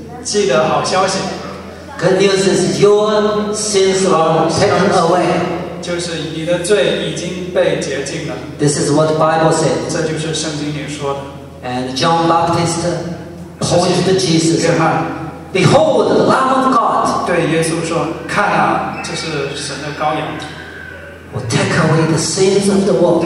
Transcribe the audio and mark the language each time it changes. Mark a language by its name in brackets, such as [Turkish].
[English] Good news is your sins are taken away. [Chinese] 就是你的罪已经被洁净了, [English] this is what the Bible said. [Chinese] 这就是圣经里说的, [English] and John Baptist pointed to Jesus. [Chinese] 约翰, [English] behold, the Lamb of God. [Chinese] 对耶稣说, 看啊, 这是神的羔羊, [English] will take away the sins of the world.